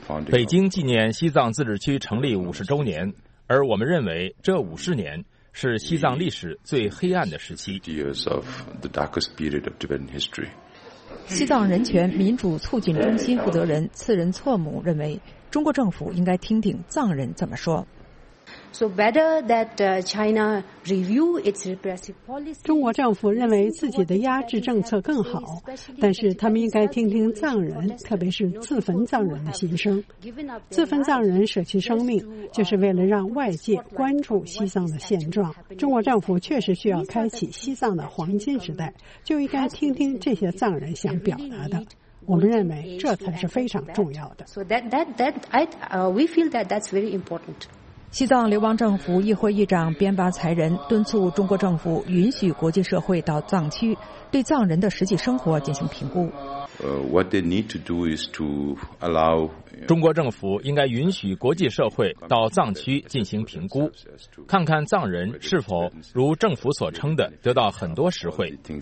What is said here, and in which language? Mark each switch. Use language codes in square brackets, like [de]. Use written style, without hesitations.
[zh] 北京纪念西藏自治区成立50周年，而我们认为这50年是西藏历史最黑暗的时期。西藏人权民主促进中心负责人次仁措姆认为，中国政府应该听听藏人怎么说。 [en] So better that China review its repressive policy. [zh] 中国政府认为自己的压制政策更好，但是他们应该听听藏人，特别是自焚藏人的心声。自焚藏人舍弃生命，就是为了让外界关注西藏的现状。中国政府确实需要开启西藏的黄金时代，就应该听听这些藏人想表达的。我们认为这才是非常重要的。 [en] So we feel that that's very important. [zh] 西藏流亡政府议会议长边巴才人敦促中国政府允许国际社会到藏区对藏人的实际生活进行评估。 [en] What they need to do is to allow [zh] 中国政府应该允许国际社会到藏区进行评估，看看藏人是否如政府所称的得到很多实惠。